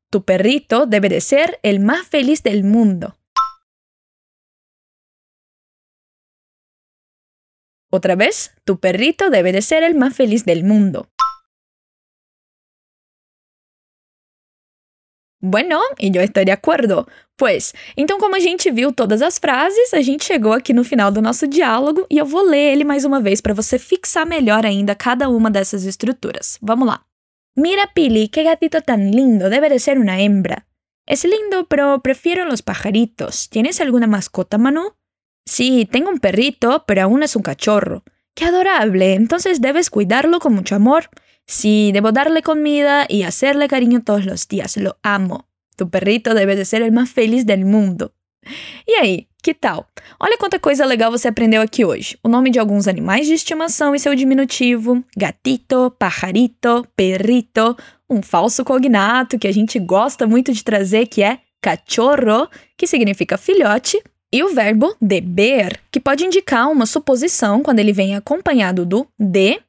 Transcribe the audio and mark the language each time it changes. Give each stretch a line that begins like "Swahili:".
Spanish: Tu perrito debe de ser el más feliz del mundo.
Portuguese: Outra vez.
Spanish: Tu perrito debe de ser el más feliz del mundo. Bueno, y yo estoy de acuerdo.
Portuguese: Pues, então como a gente viu todas as frases, a gente chegou aqui no final do nosso diálogo e eu vou ler ele mais uma vez para você fixar melhor ainda cada uma dessas estruturas. Vamos lá.
Spanish: Mira, Pili, qué gatito tan lindo. Debe de ser una hembra. Es lindo, pero prefiero los pajaritos. ¿Tienes alguna mascota, Manu? Sí, tengo un perrito, pero aún es un cachorro. Qué adorable. Entonces debes cuidarlo con mucho amor. Sí, debo darle comida y hacerle cariño todos los días. Lo amo. Tu perrito debe de ser el más feliz del mundo.
Portuguese: E aí, que tal? Olha quanta coisa legal você aprendeu aqui hoje. O nome de alguns animais de estimação e seu diminutivo. Gatito, pajarito, perrito. Um falso cognato que a gente gosta muito de trazer, que é cachorro, que significa filhote. E o verbo deber, que pode indicar uma suposição quando ele vem acompanhado do de.